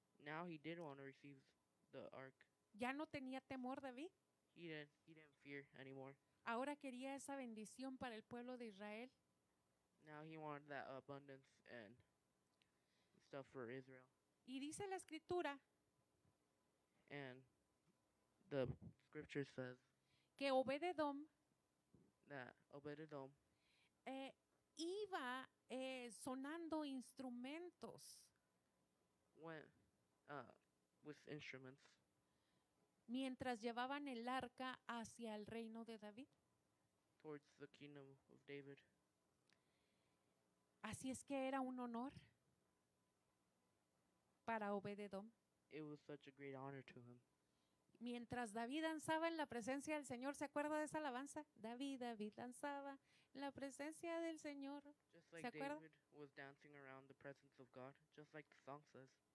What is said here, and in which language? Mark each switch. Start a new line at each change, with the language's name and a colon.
English: Now he did want to receive the ark.
Spanish: Ya no tenía temor, David.
English: He didn't fear anymore.
Spanish: Ahora quería esa bendición para el pueblo de Israel.
English: Now he wanted that abundance and stuff for Israel.
Spanish: Y dice la escritura,
English: and the scripture says,
Spanish: que Obed-Edom,
English: that Obed-Edom,
Spanish: iba sonando instrumentos.
English: Went with instruments.
Spanish: Mientras llevaban el arca hacia el reino de David.
English: Towards the kingdom of David.
Spanish: Así es que era un honor para Obed-Edom.
English: It was such a great honor to him.
Spanish: Mientras David danzaba en la presencia del Señor, ¿se acuerda de esa alabanza? David danzaba en la presencia del Señor.
English: Just like
Spanish: ¿se acuerda?
English: David was dancing around the presence of God, just like the song says.